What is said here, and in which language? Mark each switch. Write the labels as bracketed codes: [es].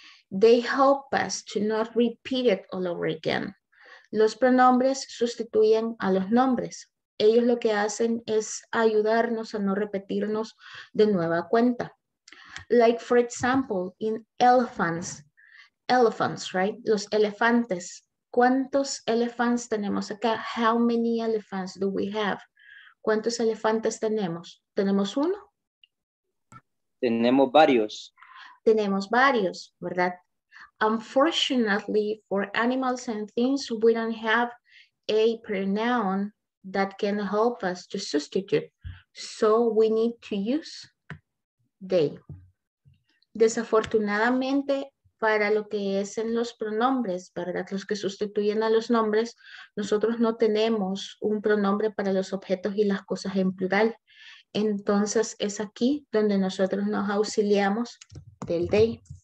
[en] They help us to not repeat it all over again. [es] Los pronombres sustituyen a los nombres. Ellos lo que hacen es ayudarnos a no repetirnos de nueva cuenta. [en] Like, for example, in elephants. Elephants, right? [es] Los elefantes. ¿Cuántos elephants tenemos acá? [en] How many elephants do we have? [es] ¿Cuántos elefantes tenemos? ¿Tenemos uno? Tenemos varios. Tenemos varios, ¿verdad? [en] Unfortunately, for animals and things, we don't have a pronoun that can help us to substitute. So we need to use they. [es] Desafortunadamente, para lo que es en los pronombres, ¿verdad? Los que sustituyen a los nombres, nosotros no tenemos un pronombre para los objetos y las cosas en plural. Entonces es aquí donde nosotros nos auxiliamos del they.